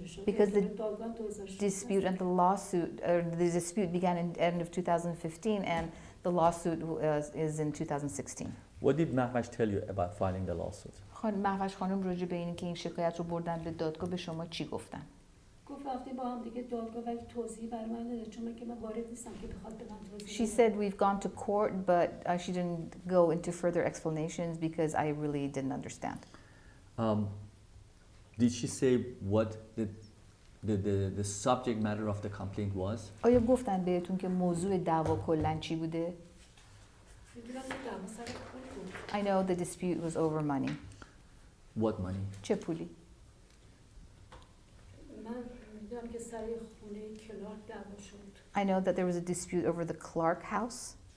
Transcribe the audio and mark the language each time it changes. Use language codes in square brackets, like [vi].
[en] Because the dispute and the lawsuit, or the dispute began in end of 2015 and the lawsuit is in 2016. What did Mahvash tell you about filing the lawsuit? [fa] خانم مهوش خانم راجع به این که این شکایت رو بردن به دادگاه به شما چی گفتن؟ گفت رفتیم با هم دیگه دادگاه ولی توضیحی برای من نداد چون من که وارد نیستم که بخواد به من توضیح بده. [en] She said we've gone to court but she didn't go into further explanations because I really didn't understand. Did she say what the subject matter of the complaint was? [fa] آیا گفتن بهتون که موضوع دعوا کلا چی بوده؟ می‌دونم [en] I know the dispute was over money. What money? [fa] چه پولی؟ من میدونم که سر خونه کلارک دعوا شد. [en] I know that there was a dispute over the Clark house.